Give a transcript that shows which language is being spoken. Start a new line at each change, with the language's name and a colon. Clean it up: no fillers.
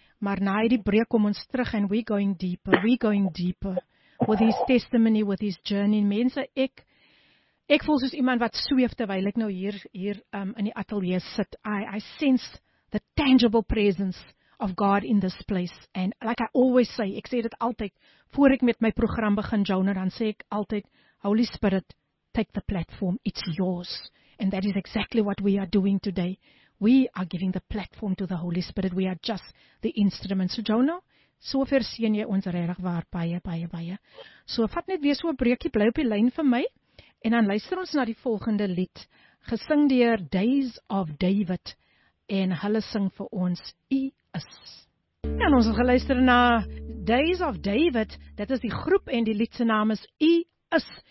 Afrikaans: Maar na die breek kom ons terug en
English: we going deeper with his testimony, with his journey.
Afrikaans: Mense, ek voel soos iemand wat sweef terwyl ek nou hier in die ateljee sit.
English: I sense the tangible presence of God in this place. And like I always say,
Afrikaans: ek sê dit altyd, voor ek met my program begin, Jonah, dan sê ek altyd,
English: Holy Spirit, take the platform, it's yours. And that is exactly what we are doing today. We are giving the platform to the Holy Spirit. We are just the instrument.
Afrikaans: So Jonah, so ver sien jy ons regtig waar, baie. So vat net weer so 'n breekie, bly op die lyn vir my, en dan luister ons na die volgende lied, gesing deur Days of David, en hulle sing vir ons, U is. En ons het geluister na Days of David, dit is die groep en die lied se naam is U is.